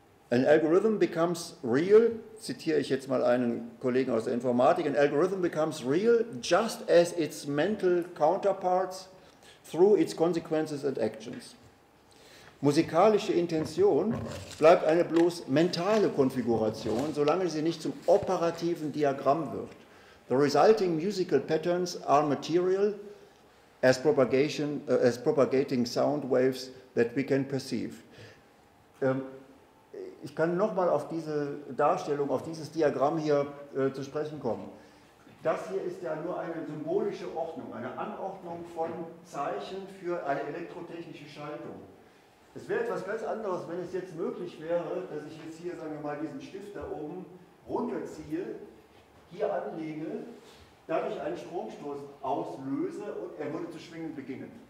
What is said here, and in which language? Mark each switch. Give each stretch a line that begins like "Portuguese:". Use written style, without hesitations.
English: An algorithm becomes real,
German: zitiere ich jetzt mal einen Kollegen aus der Informatik,
English: an algorithm becomes real just as its mental counterparts through its consequences and actions.
German: Musikalische Intention bleibt eine bloß mentale Konfiguration, solange sie nicht zum operativen Diagramm wird.
English: The resulting musical patterns are material as propagating sound waves that we can perceive.
German: Ich kann nochmal auf diese Darstellung, auf dieses Diagramm hier zu sprechen kommen. Das hier ist ja nur eine symbolische Ordnung, eine Anordnung von Zeichen für eine elektrotechnische Schaltung. Es wäre etwas ganz anderes, wenn es jetzt möglich wäre, dass ich jetzt hier, sagen wir mal, diesen Stift da oben runterziehe, hier anlege, dadurch einen Stromstoß auslöse und er würde zu schwingen beginnen.